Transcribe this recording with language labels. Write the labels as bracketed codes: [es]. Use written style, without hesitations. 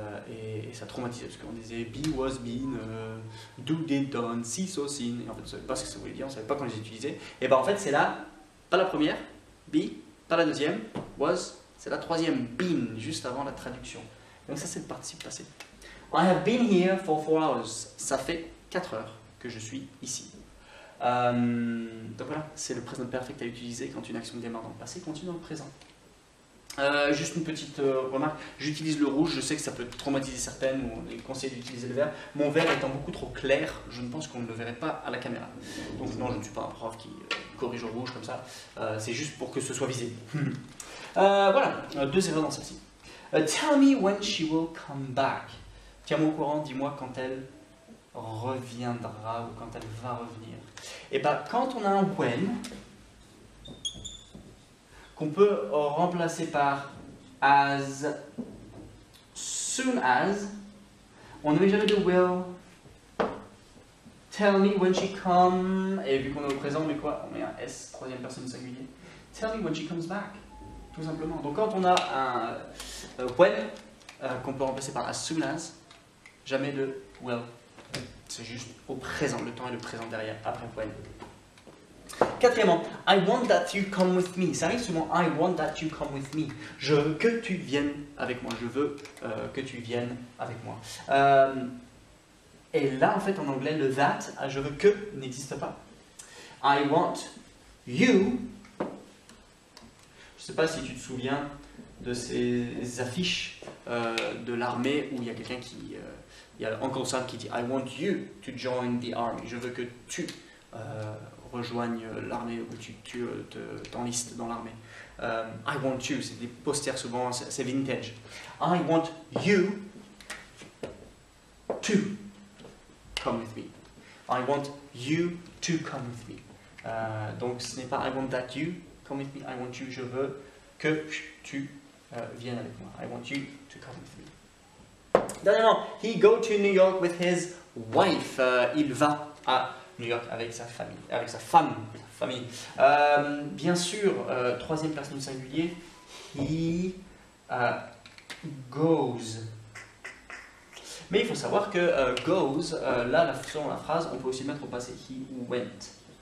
[fr] Et ça traumatisait parce qu'on disait [en] be, was, been, do, did, done, see, saw, seen. [fr] Et en fait, on ne savait pas ce que ça voulait dire, on ne savait pas quand les utiliser. Et ben en fait, c'est là, pas la première, be, pas la deuxième, was, c'est la troisième, been, juste avant la traduction. Donc ça, c'est le participe passé. [en] I have been here for 4 hours. [fr] Ça fait 4 heures que je suis ici. Donc voilà, c'est le present perfect à utiliser quand une action démarre dans le passé, continue dans le présent. Juste une petite remarque, j'utilise le rouge, je sais que ça peut traumatiser certaines, ou on est conseillé d'utiliser le vert. Mon vert étant beaucoup trop clair, je ne pense qu'on ne le verrait pas à la caméra. Donc non, je ne suis pas un prof qui corrige au rouge comme ça, c'est juste pour que ce soit visible. voilà, deux erreurs dans celle-ci. [en] Tell me when she will come back. [fr] Tiens-moi au courant, dis-moi quand elle reviendra ou quand elle va revenir. Et bien, quand on a un when, qu'on peut remplacer par as, soon as, on n'avait jamais de will, [en] tell me when she come, [fr] et vu qu'on est au présent, on met quoi? On met un S, troisième personne singulier. [en] Tell me when she comes back, [fr] tout simplement. Donc quand on a un when, qu'on peut remplacer par as soon as, jamais de will. C'est juste au présent, le temps est le présent derrière, après when. Quatrièmement, [en] I want that you come with me. [fr] Ça arrive souvent, [en] I want that you come with me. [fr] Je veux que tu viennes avec moi. Je veux que tu viennes avec moi. Et là, en fait, en anglais, le that, je veux que, n'existe pas. [en] I want you. [fr] Je ne sais pas si tu te souviens de ces affiches de l'armée où il y a quelqu'un qui. Il y a encore ça qui dit [en] I want you to join the army. [fr] Je veux que tu. Rejoignent l'armée ou tu t'enlistes dans l'armée. [en] I want you, [fr] c'est des posters souvent, c'est vintage. [en] I want you to come with me. I want you to come with me. [fr] Donc ce n'est pas [en] I want that you come with me, I want you, [fr] je veux que tu viennes avec moi. [en] I want you to come with me. [fr] Dernièrement, [en] he go to New York with his wife. [fr] Il va à New York avec sa famille, avec sa femme, famille. Bien sûr, troisième personne singulier, [en] he goes. [fr] Mais il faut savoir que goes, là, la façon, la phrase, on peut aussi mettre au passé [en] he went.